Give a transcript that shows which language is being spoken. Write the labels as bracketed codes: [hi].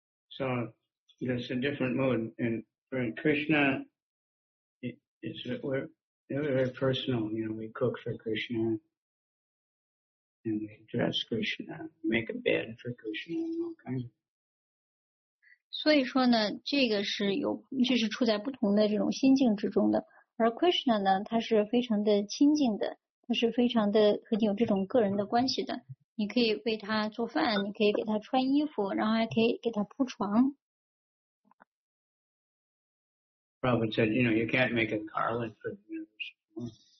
[en] So there's a different mood, and for Krishna it's very personal, you know, we cook for Krishna and we dress Krishna, make a bed for Krishna and all kinds of。 [zh] 所以说呢，这个是有，这是处在不同的这种心境之中的。而 Krishna 呢，他是非常的亲近的，他是非常的和你有这种个人的关系的。你可以为他做饭，你可以给他穿衣服，然后还可以给他铺床。 [en] Prabhupada said, you know, you can't make a garland for the universe.